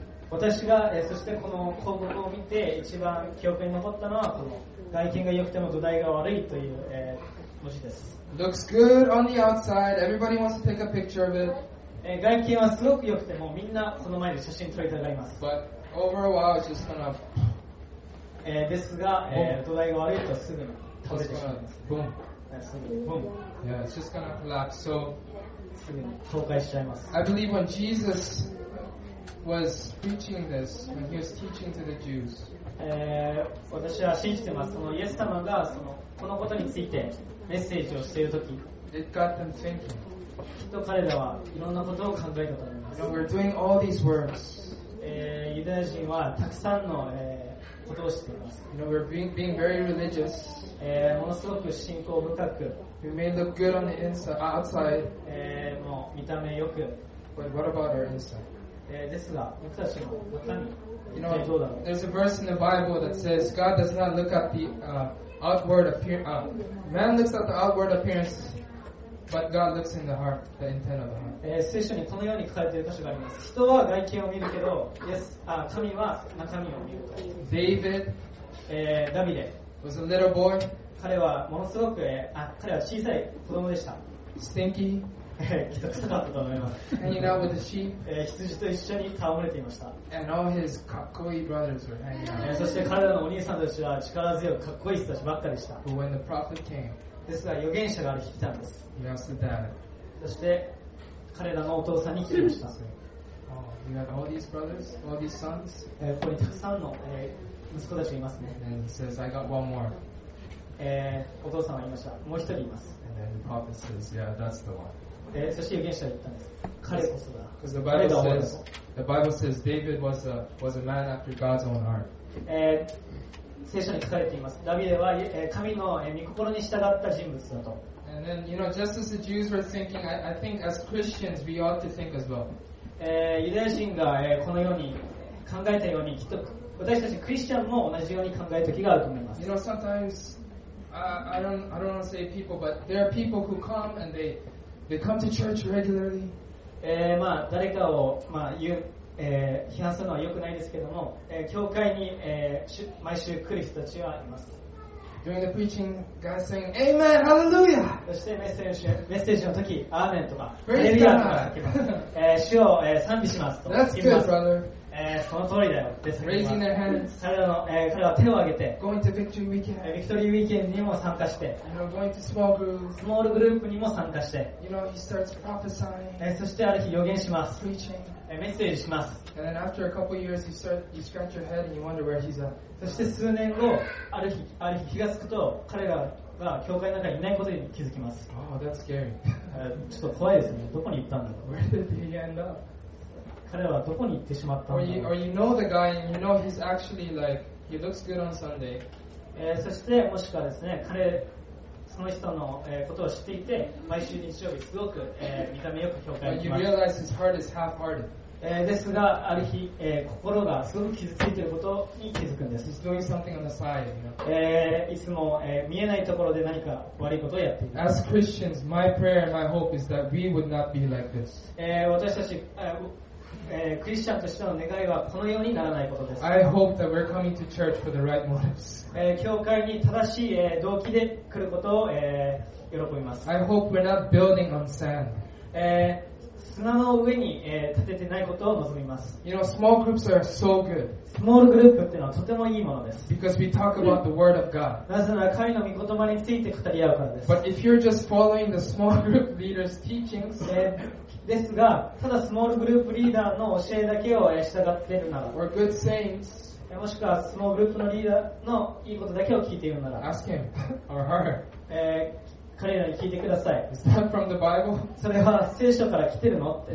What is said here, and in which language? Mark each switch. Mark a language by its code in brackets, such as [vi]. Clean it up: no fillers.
[ja] 私が、そしてこの広告を見て一番記憶に残ったのはこの外見が良くても土台が悪いという、文字です。 [en] Looks good on the outside. Everybody wants to take a picture of it. [ja] 外見はすごく良くてもみんなその前で写真撮りたがります。 [en] But over a while, it's just gonna... [ja] ですが、土台が悪いとすぐに倒れてしまいます。 [en] Boom. [ja] すぐに、boom. [en] Yeah, it's just gonna collapse. So, [ja] すぐに崩壊しちゃいます。 [en] I believe when Jesus... was preaching this when he was teaching to the Jews. [ja] 私は信じてます。そのイエス様がそのこのことについてメッセージをしているとき、 [en] it got them thinking. [ja] きっと彼らはいろんなことを考えたと思います。 [en] You know, we're doing all these works. [ja] ユダヤ人はたくさんの、ことをしています。 [en] You know, we're being very religious. [ja] ものすごく信仰深く。 [en] We may look good on the inside, outside. [ja] もう見た目よく。 [en] But what about our inside? [ja] ですが、僕たちの中身、 [en] you know, there's a verse in the Bible that says God does not look at the outward appearance. Man looks at the outward appearance, but God looks in the heart, the intent of the heart. [ja] 聖書にこのように書かれている箇所があります。人は外見を見るけど、yes, 神は中身を見る。 [en] David, [ja] ダビデ [en] was a little boy. [ja] 彼はものすごく、彼は小さい子供でした。 [en] Stinky. Hanging out with the sheep. [ja] 羊と一緒に戯れていました。 [en] And all his [ja] かっこいい [en] brothers were hanging out. [ja] そして彼らのお兄さんたちは力強くかっこいい人たちばっかりでした。 [en] But when the prophet came, [ja] ですが預言者がある日来たんです。 [en] He asked the dad. [ja] そして彼らのお父さんに聞きました。 [en] Oh, you have all these brothers, all these sons? [ja] ここにたくさんの息子たちいますね。 [en] And he says, I got one more. [ja] お父さんは言いました。もう一人います。 [en] And then the prophet says, Yeah, that's the one. [ja] そして預言者は言ったんです。彼こそが。 [en] Because the Bible says David was a man after God's own heart. [ja] 聖書に書かれています。ダビデは神の御心に従った人物だと。 [en] And then, you know, just as the Jews were thinking, I think as Christians we ought to think as well. [ja] ユダヤ人がこのように考えたように、きっと私たちクリスチャンも同じように考えた時があると思います。 [en] You know, sometimes I don't want to say people, but there are people who come and they. They come to church regularly. [ja] まあ誰かをまあ言う、批判するのは良くないですけども、教会に、毎週来る人たちはいます。 [en] During the preaching, God saying, "Amen, Hallelujah." [ja] そしてメッセージの時、アーメンとか、 [en] Praise God. [ja] 主を、賛美しますと。 [en] That's good, brother. [ja] その通りだよ。です。 [en] Raising their hands. [ja] 彼は手を挙げて。 [en] Going to Victory Weekend. [ja] Victory Weekend にも参加して。 [en] You know, going to small groups. [ja] スモールグループにも参加して。 [en] You know, he starts prophesying. [ja] そしてある日予言します。 [en] Preaching. [ja] メッセージします。 [en] And then after a couple years, you scratch your head and you wonder where he's at. [ja] そして数年後、ある日気がつくと、彼らが教会の中にいないことに気づきます。 [en] Oh, that's scary. [ja] ちょっと怖いですね。どこに行ったんだろう。 [en] Where did he end up? [ja] 彼はどこに行ってしまったのか。 [en] Or you know the guy and you know he's actually like he looks good on Sunday. [ja] そしてもしくはですね、彼その人の、ことを知っていて、毎週日曜日すごく、見た目よく教会に行きます。 [en] But you realize his heart is half-hearted. [ja] ですがある日、心がすごく傷ついていることに気づくんです。 [en] He's doing something on the side, you know? [ja] いつも、見えないところで何か悪いことをやっている。 [en] As Christians, my prayer and my hope is that we would not be like this. [ja] 私たち。クリスチャンとしての願いはこのようにならないことです。 [en] I hope that we're coming to church for the right motives. [ja] 教会に正しい動機で来ることを喜びます。 [en] I hope we're not building on sand. [ja] 砂の上に建ててないことを望みます。 [en] You know, small groups are so good. [ja] スモールグループっていうのはとてもいいものです。 [en] Because we talk about the word of God. [ja] なぜなら神の御言葉について語り合うからです。 [en] But if you're just following the small group leader's teachings. [ja] ですが、ただスモールグループリーダーの教えだけを従っているなら、 [en] or good saints, [ja] もしくはスモールグループのリーダーのいいことだけを聞いているなら、 [en] ask him or her. [ja] 彼らに聞いてください。 [en] Is that from the Bible? [ja] それは聖書から来てるのって。